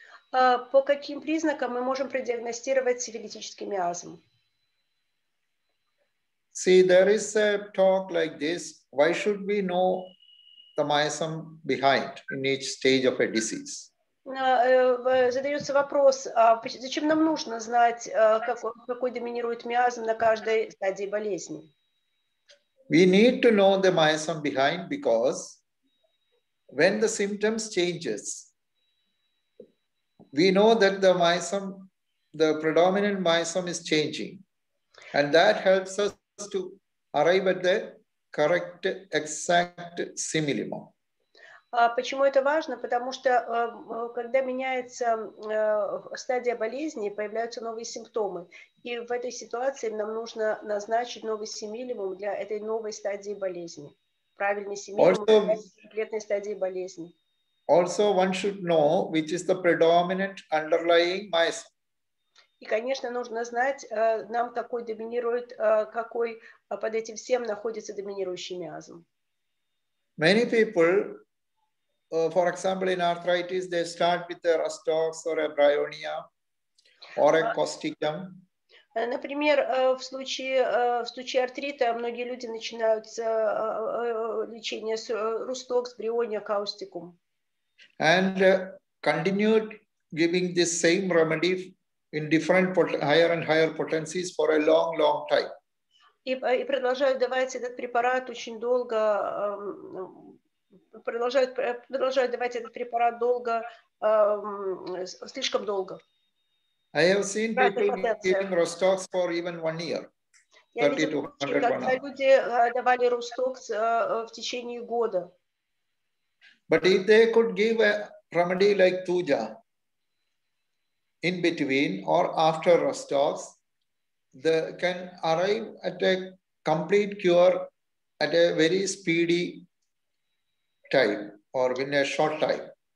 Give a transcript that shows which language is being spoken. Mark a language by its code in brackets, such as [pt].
[ru] По каким признакам мы можем продиагностировать сифилитический миазм? [en] See, there is a talk like this. Why should we know the miasm behind in each stage of a disease? [ru] Задается вопрос, зачем нам нужно знать, какой доминирует миазм на каждой стадии болезни? [en] We need to know the miasm behind because when the symptoms changes, we know that the miasm, the predominant miasm is changing. And that helps us to arrive at the correct, exact similimo. [ru] Почему это важно? Потому что когда меняется стадия болезни, появляются новые симптомы. И в этой ситуации нам нужно назначить новый симилимум для этой новой стадии болезни. Правильный симилимум для конкретной стадии болезни. [en] Also, one should know which is the predominant underlying miasm. [ru] И, конечно, нужно знать, нам какой доминирует, какой под этим всем находится доминирующий миазм. [en] Many people, for example, in arthritis, they start with a rustox or a bryonia or a causticum. [ru] Например, в случае артрита многие люди начинают лечение с рустокс, бриония, каустикум. [en] And continued giving this same remedy in different higher and higher potencies for a long, long time. [ru] И продолжают давать этот препарат очень долго, продолжают давать этот препарат долго, слишком долго. [en] I have seen people giving Rostox for even 1 year. [ru] Когда люди давали Rostox в течение года. [en] But if they could give a remedy like Tuja in between or after Rostox, they can arrive at a complete cure at a very speedy time or in a short time.